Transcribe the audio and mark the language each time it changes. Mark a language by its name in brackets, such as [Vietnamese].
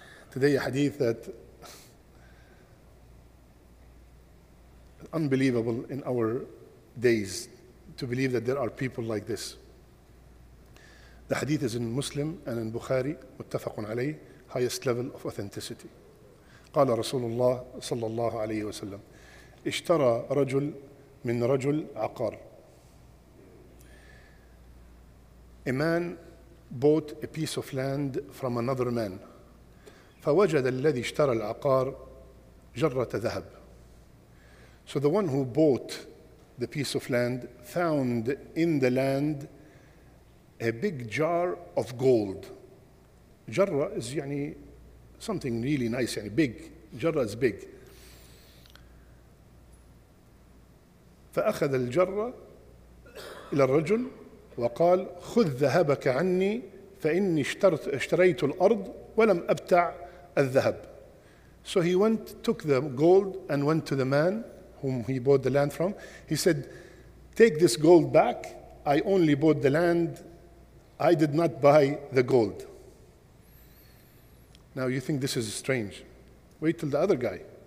[English] Today a hadith that unbelievable in our days to believe that there are people like this. The hadith is in Muslim and in Bukhari, [Arabic] متفق عليه, [English] highest level of authenticity. [Arabic] قال رسول الله صلى الله عليه وسلم اشترى رجل من رجل عقار. [English] A man bought a piece of land from another man. [Arabic] فوجد الذي اشترى العقار جرة ذهب. [English] So the one who bought the piece of land found in the land a big jar of gold. Jarra is يعني something really nice, يعني big. Jarra is big. [Arabic] فأخذ الجرة إلى الرجل وقال خذ ذهبك عني فإني اشتريت الأرض ولم أبتع الذهب. [English] So he went, took the gold and went to the man whom he bought the land from. He said, take this gold back. I only bought the land. I did not buy the gold. Now you think this is strange. Wait till the other guy.